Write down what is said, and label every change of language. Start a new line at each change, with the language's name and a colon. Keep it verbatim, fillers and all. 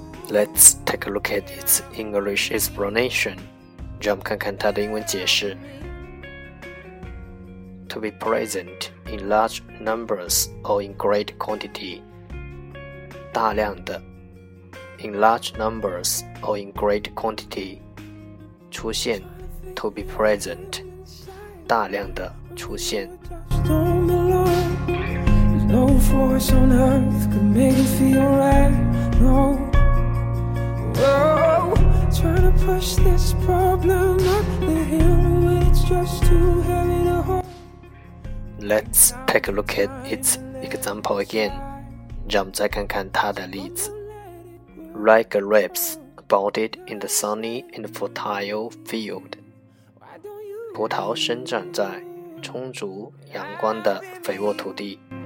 English: Let's take a look at its English explanation.
Chinese: 让我们看看它的英文解释。
English: To be present in large numbers or in great quantity.
Chinese: 大量的
English: in large numbers or in great quantity.
Chinese: 出现
English: to be present.
Chinese: 大量的出现。
English: No force on earth could make it feel right. No. Oh, trying to push this problem up the hill when it's just too heavy to hold. Let's take a look at its example again.
Chinese: 让我们再看看它的例子。
English: Ripe grapes abounded in the sunny and fertile field.
Chinese: 葡萄生长在充足阳光的肥沃土地。